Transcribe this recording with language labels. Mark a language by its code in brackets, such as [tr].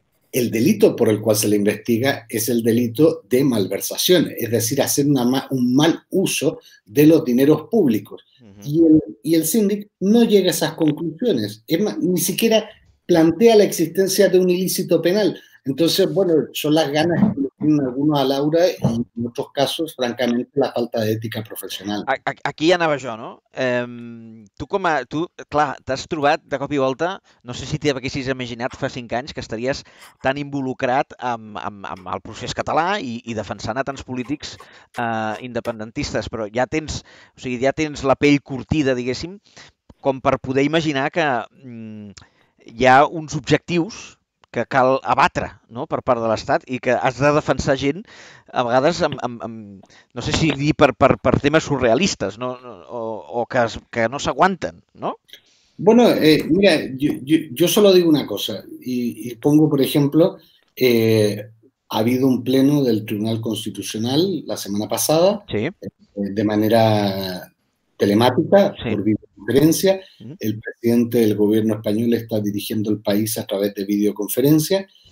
[es] El delito por el cual se le investiga es el delito de malversación, es decir, hacer un mal uso de los dineros públicos. Uh-huh. Y el síndic no llega a esas conclusiones, es más, ni siquiera plantea la existencia de un ilícito penal. Entonces, bueno, son las ganas que tienen algunos a Laura y en otros casos, francamente, la falta de ética profesional. [ca] Aquí ja anava jo, no? Tu, clar, t'has trobat de cop i volta, no sé si t'haguessis imaginat fa 5 anys que estaries tan involucrat amb el procés català i defensant a tants polítics independentistes, però ja tens, o sigui, ja tens la pell curtida, diguéssim, com per poder imaginar que hi ha uns objectius que cal abatre, no?, per part de l'Estat i que has de defensar gent a vegades amb no sé si dir per temes surrealistes, no?, o que no s'aguanten, no? [es] Bueno, mira, yo solo digo una cosa y pongo, por ejemplo, ha habido un pleno del Tribunal Constitucional la semana pasada, sí, de manera telemática, sí, por videoconferencia. El presidente del gobierno español está dirigiendo el país a través de videoconferencia.